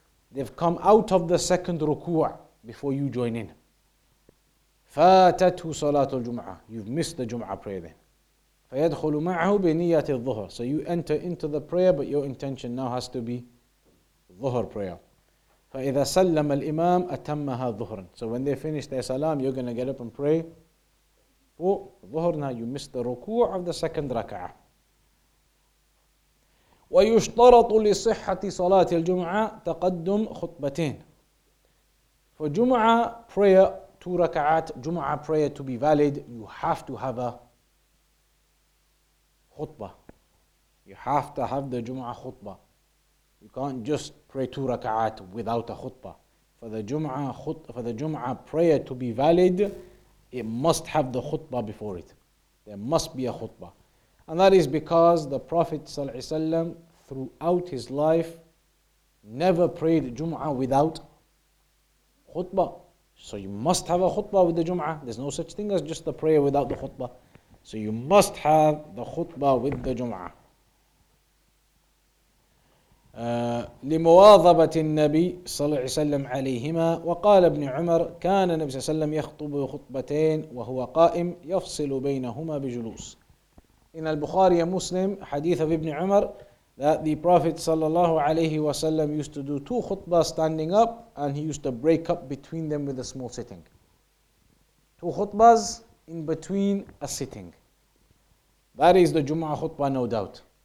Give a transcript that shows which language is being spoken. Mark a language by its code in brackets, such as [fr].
[en] They've come out of the second ruku' before you join in. [ar] فاتته صلاة الجمعة. [en] You've missed the Jum'ah prayer then. [ar] فيدخل معه بنية الظهر. [en] So you enter into the prayer, but your intention now has to be ظهر prayer. [ar] فإذا سلم الإمام أتمها ظهرا. [en] So when they finish their salam, you're gonna get up and pray. Oh, ظهر now. You missed the ruku' of the second raka'ah. [ar] ويشترط لصحة صلاة الجمعة تقدم خطبتين. [en] For Jum'ah prayer, two raka'at, Jum'ah prayer to be valid, you have to have a khutbah. You have to have the Jum'ah khutbah. You can't just pray two raka'at without a khutbah. For the Jum'ah prayer to be valid, it must have the khutbah before it. There must be a khutbah. And that is because the Prophet ﷺ throughout his life never prayed Jum'ah without khutbah. So you must have a khutbah with the Jum'ah. There's no such thing as just the prayer without the khutbah. So you must have the khutbah with the Jum'ah. [ar] لمواظبة النبي صلى الله عليه وسلم عليهما وقال ابن عمر كان النبي صلى الله عليه وسلم يخطب خطبتين وهو قائم يفصل بينهما بجلوس. [en] In al-Bukhari a Muslim, hadith of Ibn Umar, that the Prophet sallallahu alayhi wa sallam used to do two khutbah standing up, and he used to break up between them with a small sitting. Two khutbahs in between a sitting. That is the Jum'ah khutbah, no doubt.